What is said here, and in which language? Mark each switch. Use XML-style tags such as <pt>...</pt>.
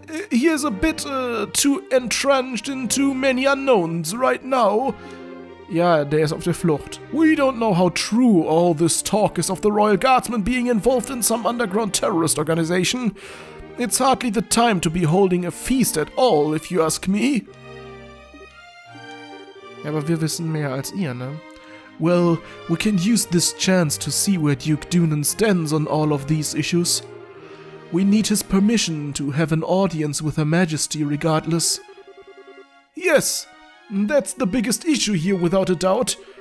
<en>he is a bit too entrenched in too many unknowns right now.</en> <de>Ja, der ist auf der Flucht.</de> <en>We don't know how true all this talk is of the Royal Guardsman being involved in some underground terrorist organization. It's hardly the time to be holding a feast at all, if you ask me.</en> <de>Ja, aber wir wissen mehr als ihr, ne?</de> <en>Well, we can use this chance to see where Duke Doonan stands on all of these issues. We need his permission to have an audience with Her Majesty regardless. Yes, that's the biggest issue here without a doubt.</en>